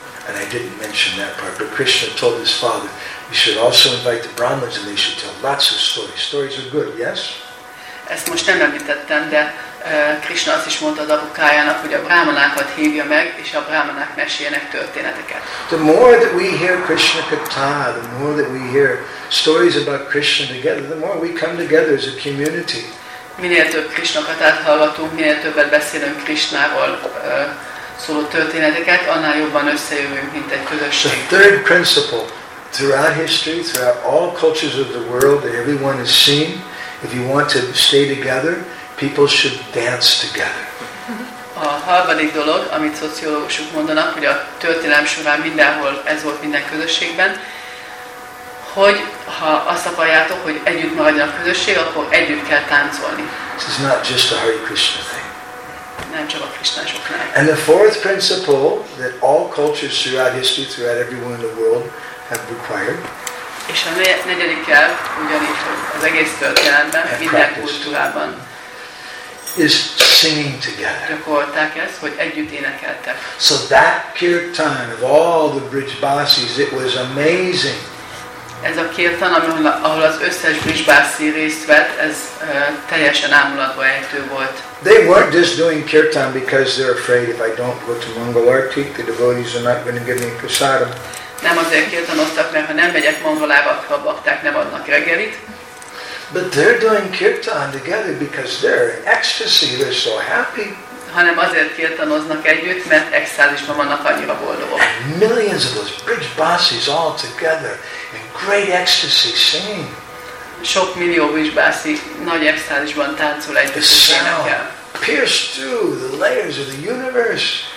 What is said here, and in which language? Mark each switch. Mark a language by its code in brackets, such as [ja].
[en] And I didn't mention that part, but Krishna told his father, you should also invite the Brahmins and they should tell lots of stories. Stories are good, yes? [hu] Ezt most nem említettem, de Krishna azt is mondta az apukájának, hogy a brámanákat hívja meg, és a brámanák meséljenek történeteket. [en] The more that we hear Krishna katha, the more that we hear stories about Krishna together, the more we come together as a community. [hu] Minél több Krishna katát hallgatunk, minél többet beszélünk Krishnáról szóló történeteket, annál jobban összejövünk, mint egy közösség. [en] The third principle, throughout history, throughout all cultures of the world, that everyone has seen, if you want to stay together, people should dance together. [hu] A harmadik dolog, amit szociológusok mondanak, hogy a történelem során mindenhol ez volt minden közösségben, hogy ha azt akarjátok, hogy együtt maradjon a közösség, akkor együtt kell táncolni. [en] This is not just a Hare Krishna thing. [hu] Nem csak a krisztusoknál. [en] And the fourth principle that all cultures throughout history, throughout everyone in the world have required. [hu] És a negyedik kell, ugyanis az egész történelemben, minden kultúrában. [en] Is singing together. [hu] Gyakorolták ezt, hogy együtt énekeltek. [en] So that kirtan of all the Brijbasis, it was amazing. [hu] Ez a kirtan, ahol az összes Brijbasi részt vett, ez teljesen ámulatba ejtő volt. [en] They weren't just doing kirtan because they're afraid if I don't go to Mangalartik, the devotees are not going to give me prasadam. [hu] Nem azért kirtanoztak, mert ha nem megyek Mangalába, a bakták nem adnak reggelit. [en] But they're doing kirtan together because they're in ecstasy, they're so happy. [hu] Hanem azért kirtanoznak együtt, mert extázisban vannak, annyira boldogok. [en] And millions of those Brijbasis all together in great ecstasy singing. [hu] Sok millió Brijbasi nagy extázisban táncol együtt. [en] The sound pierced through the layers of the universe.